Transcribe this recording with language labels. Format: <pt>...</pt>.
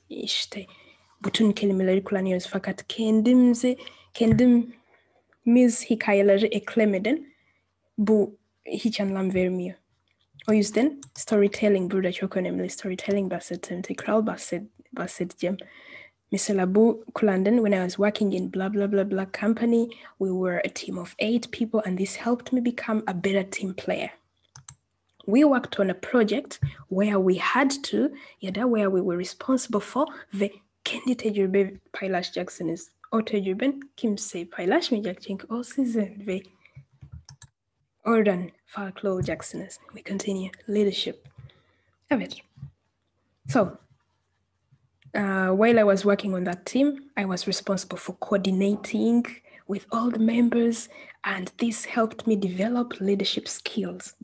<tr>İşte bütün kelimeleri kullanıyoruz. Fakat kendimiz hikayeleri eklemeden bu hiç anlam vermiyor. O yüzden storytelling burada çok önemli. Storytelling bahsettim. Tekrar bahsedeceğim. Mesela bu kullandın.</tr> <en>When I was working in blah blah blah blah company, we were a team of 8 people and this helped me become a better team player. We worked on a project where we had to,</en> <tr>yada,</tr> <en>where we were responsible for the</en> <tr>kendi tecrübe paylaş</tr> <en>Jackson's.</en> <tr>O tecrüben kimse paylaşmayacak çünkü o sizin ve oradan farklı olacaksınız.</tr> <en>We continue. Leadership.</en> <tr>Evet.</tr> <en>So, while I was working on that team, I was responsible for coordinating with all the members and this helped me develop leadership skills.</en>